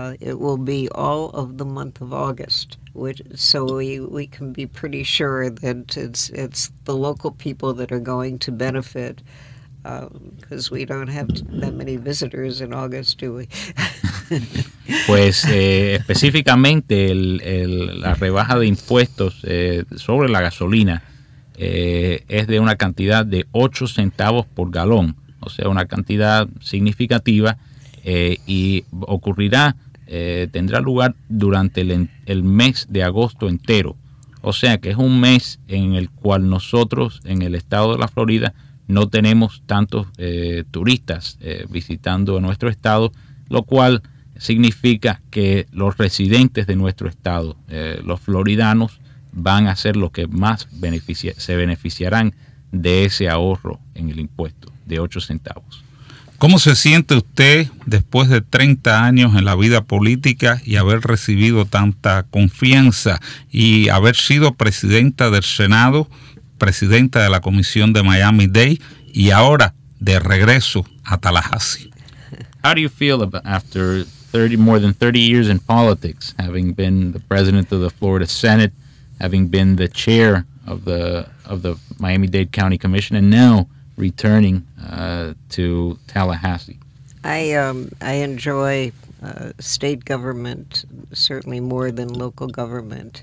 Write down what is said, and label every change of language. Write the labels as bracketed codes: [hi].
[en] It will be all of the month of August, so we can be pretty sure that it's the local people that are going to benefit, because we don't have that many visitors in August, do we? [es] Pues específicamente la rebaja de impuestos sobre la gasolina es de una cantidad de 8 centavos por galón, o sea, una cantidad significativa, y ocurrirá, tendrá lugar durante el mes de agosto entero. O sea que es un mes en el cual nosotros en el estado de la Florida no tenemos tantos turistas visitando nuestro estado, lo cual significa que los residentes de nuestro estado, los floridanos, van a ser los que más se beneficiarán de ese ahorro en el impuesto de 8 centavos. ¿Cómo se siente usted después de 30 años en la vida política y haber recibido tanta confianza y haber sido presidenta del Senado, presidenta de la Comisión de Miami-Dade y ahora de regreso a Tallahassee? [en] How do you feel after 30, more than 30 years in politics, having been the president of the Florida Senate, having been the chair of the Miami-Dade County Commission, and now returning to Tallahassee? I enjoy state government certainly more than local government.